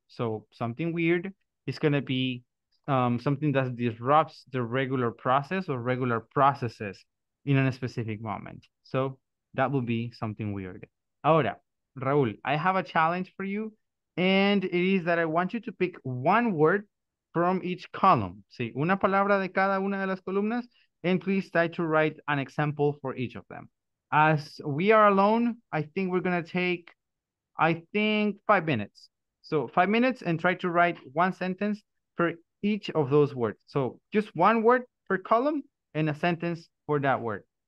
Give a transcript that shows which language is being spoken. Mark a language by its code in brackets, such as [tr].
[en] So something weird is going to be something that disrupts the regular process or regular processes in a specific moment. So that will be something weird. [es] Ahora, [en] Raúl, I have a challenge for you. And it is that I want you to pick one word from each column. [es] Sí, una palabra de cada una de las columnas. [en] And please try to write an example for each of them. As we are alone, I think we're going to take, I think, 5 minutes. So 5 minutes and try to write one sentence for each of those words. So just one word per column and a sentence for that word.